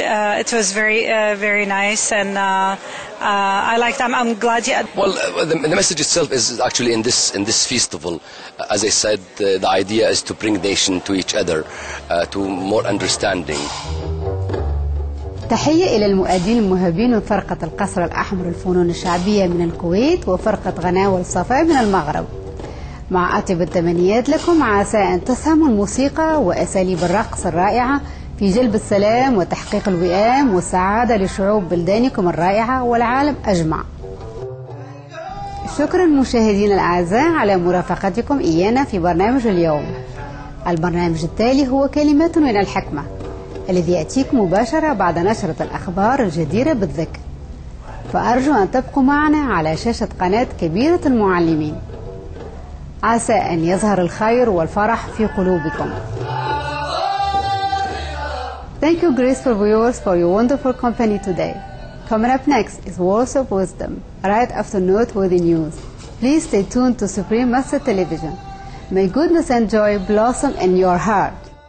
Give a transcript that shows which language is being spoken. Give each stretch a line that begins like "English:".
English: It was very, very nice, and I like them. I'm glad you. Well, the message itself is actually in this festival. As I said, the idea is to bring nation to each other, to more understanding.
Arabic: تحية إلى المؤدين المهبين وفرقة القصر الأحمر الفنون الشعبية من الكويت وفرقة غناء والصفاء من المغرب. مع أطيب التمنيات لكم، عسى أن تسهموا الموسيقى وأساليب الرقص الرائعة في جلب السلام وتحقيق الوئام والسعادة لشعوب بلدانكم الرائعة والعالم أجمع. شكرا مشاهدين الأعزاء على مرافقتكم إيانا في برنامج اليوم. البرنامج التالي هو كلمات من الحكمة، الذي يأتيكم مباشرة بعد نشرة الأخبار الجديرة بالذكر. فأرجو أن تبقوا معنا على شاشة قناة كبيرة المعلمين. عسى أن يظهر الخير والفرح في قلوبكم.
English: Thank you, graceful viewers, for your wonderful company today. Coming up next is Words of Wisdom, right after Noteworthy News. Please stay tuned to Supreme Master Television. May goodness and joy blossom in your heart.